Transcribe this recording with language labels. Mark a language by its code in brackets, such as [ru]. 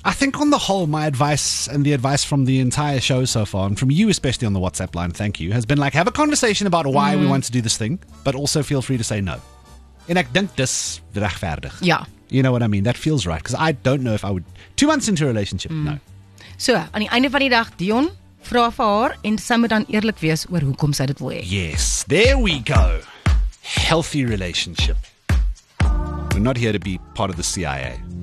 [en] I think on the whole, my advice and the advice from the entire show so far and from you especially on the WhatsApp line, thank you, has been like, have a conversation about why we want to do this thing, but also feel free to say no. [af] En ek dink dis regverdig. Ja. [en] You know what I mean? That feels right. Because I don't know if I would... 2 months into a relationship, no. [af] So, aan die einde van die dag, Dion, vra vir haar, en sy moet dan eerlik wees oor hoekom sy dit wil hê. [en] Yes, there we go. Healthy relationship. We're not here to be part of the CIA.